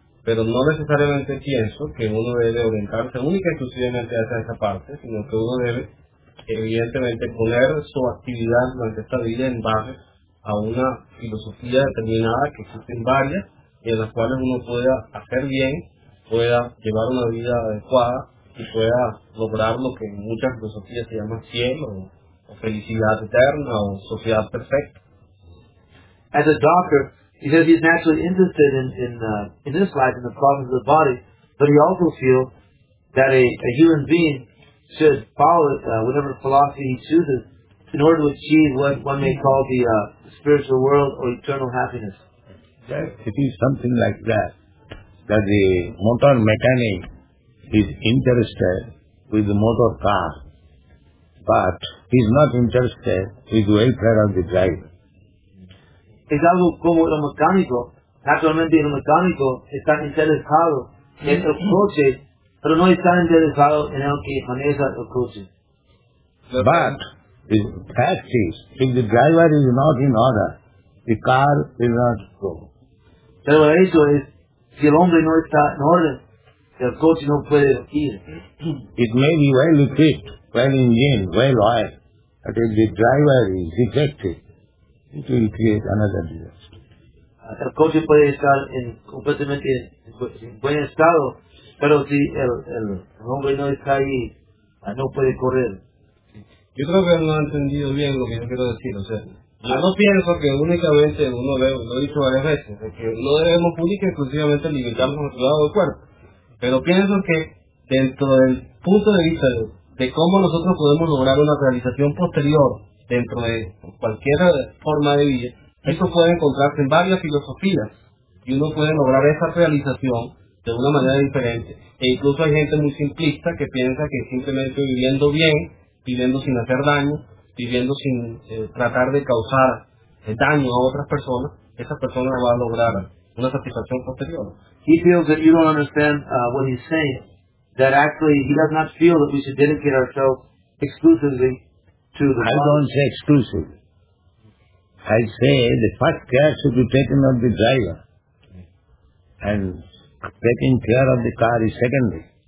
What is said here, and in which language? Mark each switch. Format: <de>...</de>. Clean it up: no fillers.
<es>Pero no necesariamente pienso que uno debe orientarse única y exclusivamente hacia esa parte, sino que uno debe, evidentemente, poner su actividad durante esta vida en base a una filosofía determinada, que existen varias, y en las cuales uno pueda hacer bien pueda llevar una vida adecuada y pueda lograr lo que en muchas filosofías se llama cielo o felicidad eterna o sociedad perfecta.</es> <en>As a doctor, he says he's naturally interested in this life and the problems of the body, but he also feels that a human being should follow whatever philosophy he chooses in order to achieve what one may call the spiritual world or eternal happiness. It is something like that, that the motor mechanic is interested with the motor car, but he is not interested with the welfare of the driver.</en> <es>Es algo como el mecánico. Naturalmente el mecánico está interesado en el coche, pero no está interesado en el que maneja el coche.</es> <en>But the fact is, if the driver is not in order, the car will not go.</en> <es>Pero el hecho es, si el hombre no está en orden, el coche no puede ir.</es> <en>It may be well equipped, well engineered, well oiled, but if the driver is defective, it will create another disaster.</en> <es>El coche puede estar en completamente en buen estado, pero si el hombre no está ahí, no puede correr. Yo creo que no ha entendido bien lo que yo quiero decir. O sea, yo no pienso que únicamente uno ve, lo he dicho varias veces, que no debemos única exclusivamente limitarnos a nuestro lado del cuerpo. Pero pienso que dentro del punto de vista de cómo nosotros podemos lograr una realización posterior dentro de cualquier forma de vida, eso puede encontrarse en varias filosofías y uno puede lograr esa realización de una manera diferente. E incluso hay gente muy simplista que piensa que simplemente viviendo bien, viviendo sin hacer daño, viviendo sin tratar de causar daño a otras personas, esa persona va a lograr una satisfacción posterior.</es> <en>He feels that you don't understand what he's saying, that actually he does not feel that we should dedicate ourselves exclusively to the body. I don't say exclusively. I say the first care should be taken of the driver, and taking care of the car is secondary.</en>